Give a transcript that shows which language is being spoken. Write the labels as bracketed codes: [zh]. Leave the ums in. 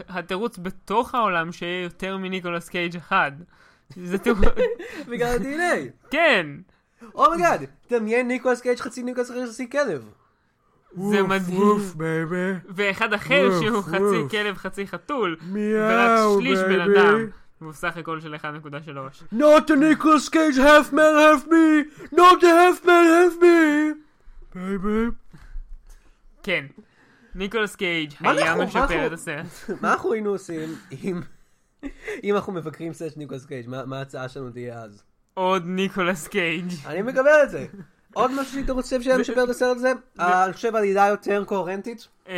[he] התירוץ בתוך העולם שיהיה יותר מניקולס קייג' אחד. זה תירוץ. בגלל ה-DNA. כן. אומייגאד, תמיין ניקולס קייג' חצי ניקולס קייג' חצי כלב. זה מדהים. ואחד אחר שהוא חצי כלב חצי חתול. מיהו, ורק שליש בן אדם. והוא סך הכל של 1.3. [en] Not the ניקולס קייג' half man half me! Not the half man half me! baby. [he] כן. ניקולס קייג' היה משפר את הסרט. מה אנחנו היינו עושים אם אנחנו מבקרים סרט ניקולס קייג'? מה ההצעה שלנו תהיה אז? עוד ניקולס קייג'. אני מקבל את זה. עוד משהו שאתה רוצה שיהיה משפר את הסרט הזה? אני חושב על ידה יותר קוהרנטית.